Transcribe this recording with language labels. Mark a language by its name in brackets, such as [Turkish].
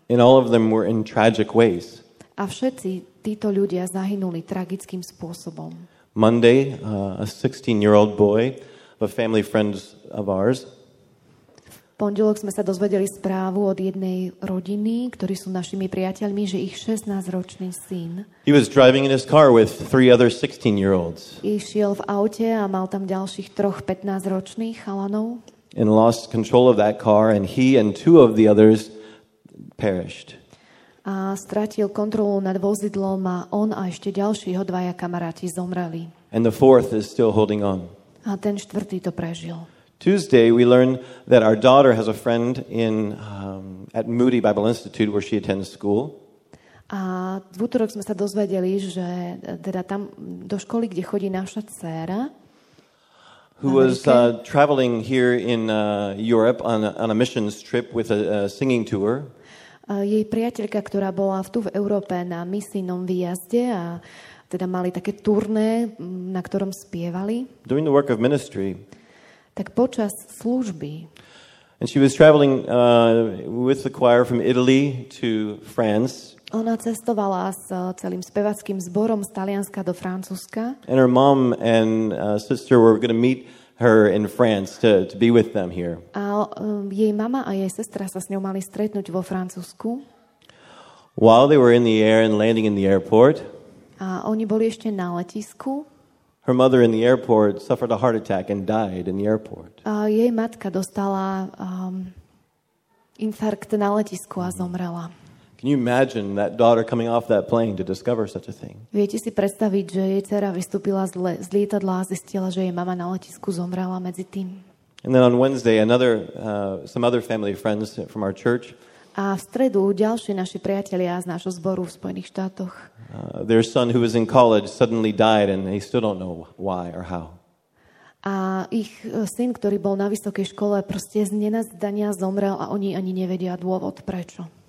[English] And all of them were in tragic ways. [Slovak] A všetci títo ľudia zahynuli tragickým spôsobom. [English] Monday, a 16-year-old boy of a family friend of ours. [Slovak] Pondelok sme sa dozvedeli správu od jednej rodiny, ktorí sú našimi priateľmi, že ich 16-ročný syn. [English] He was driving in his car with three other 16-year-olds. [Slovak] Išiel v aute a mal tam ďalších troch 15-ročných chalanov. [English] And lost control of that car and he and two of the others perished. [Slovak] A stratil kontrolu nad vozidlom a on a ešte ďalší jeho dvaja kamaráti zomreli. [English] And the fourth is still holding on. [Slovak] A ten štvrtý to prežil. [English] Tuesday we learn that our daughter has a friend in at Moody Bible Institute where she attends school. [Slovak] A v utorok sme sa dozvedeli, že teda tam do školy, kde chodí naša dcéra, [English] who was traveling here in Europe on a missions trip with a singing tour. [Slovak] Jej priateľka, ktorá bola tu v Európe na misijnom výjazde a teda mali také turné, na ktorom spievali. [English] During the work of ministry. [Slovak] Tak počas služby. [English] And she was traveling with the choir from Italy to France. [Slovak] Ona cestovala s celým spevackým zborom z Talianska do Francúzska. [English] And her mom and sister were going to meet her in France to be with them here. [Slovak] A jej mama a jej sestra sa s ňou mali stretnúť vo Francúzsku. [English] While they were in the air and landing in the airport. [Slovak] A oni boli ešte na letisku. [English] Her mother in the airport suffered a heart attack and died in the airport. [Slovak] A jej matka dostala infarkt na letisku a zomrela. [English] Can you imagine that daughter coming off that plane to discover such a thing? [Slovak] Viete si predstaviť, že jej dcera vystúpila z lietadla a zistila, že jej mama na letisku zomrela medzi tým? [English] And then on Wednesday, another some other family friends from our church. [Slovak] A v stredu ďalší naši priatelia z nášho zboru v Spojených štátoch. [English] Their son who was in college suddenly died and they still don't know why or how. [Slovak] A ich syn, ktorý bol na vysokej škole, proste z nenazdania zomrel a oni ani nevedia dôvod prečo.